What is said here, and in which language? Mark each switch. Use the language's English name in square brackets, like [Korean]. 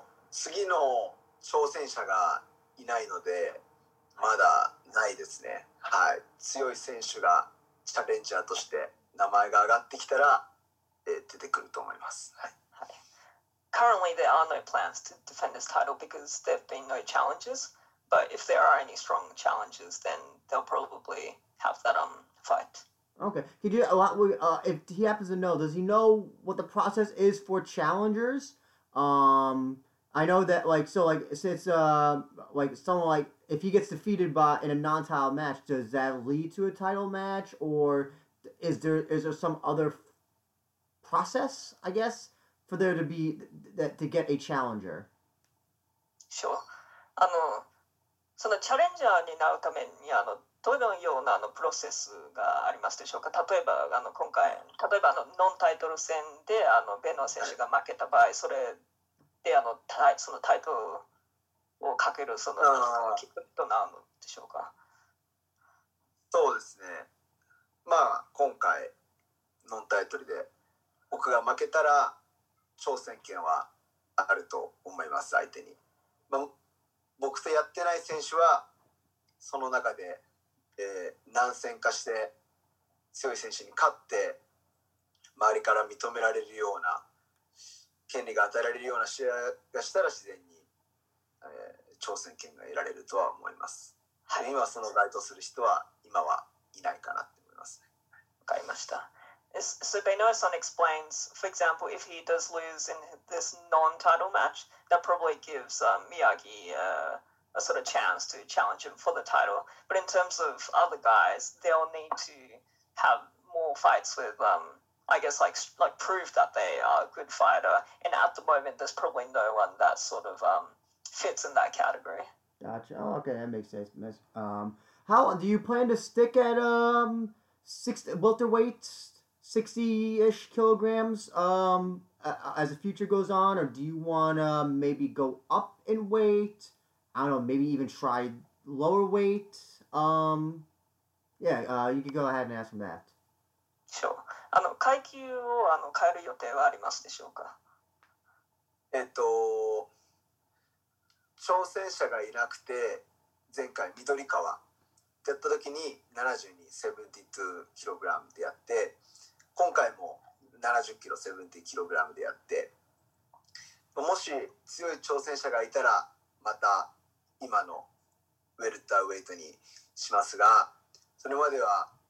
[Japanese] 次の挑戦者がいないのでまだないですね。はい、強い選手がチャレンジャーとして名前が上がってきたら、出てくると思います。はい、 [English] Currently there are no plans to defend this title because there have been no challenges, but if there are any strong challenges then they'll probably have that fight. Okay. If he happens to know, does he know what the process is for challengers? I know that if he gets defeated by in a non-title match, does that lead to a title match, or is there some other process, I guess, for there to be that to get a challenger? Sure. [Japanese] そのチャレンジャーになるためにどのようなプロセスがありますでしょうか。例えば今回、例えばノンタイトル戦でベノア選手が負けた場合、それでそのタイトルをかけるそのキックとなるのでしょうか。そうですね、今回ノンタイトルで僕が負けたら挑戦権はあると思います、相手に。僕とやってない選手はその中で、何戦かして強い選手に勝って周りから認められるような権利が与えられるような試合がしたら自然に、挑戦権が得られるとは思います。はい、今その該当する人は今はいないかなって思いますね。わかりました。 [English] So Benoit-san explains, for example, if he does lose in this non-title match, that probably gives Miyagi a sort of chance to challenge him for the title. But in terms of other guys, they'll need to have more fights with, I guess, prove that they are a good fighter. And at the moment, there's probably no one that sort of fits in that category. Gotcha. Oh, okay, that makes sense. How do you plan to stick at 60 welterweight? 60-ish kilograms as the future goes on, or do you want to maybe go up in weight? I don't know, maybe even try lower weight? You can go ahead and ask him that. Sure. [Japanese] 階級を変える予定はありますでしょうか？挑戦者がいなくて、前回緑川ってやった時に72、72 kilograms でやって、今回も70キロ、70キログラムでやって、もし強い挑戦者がいたらまた今のウェルターウェイトにしますが、それまでは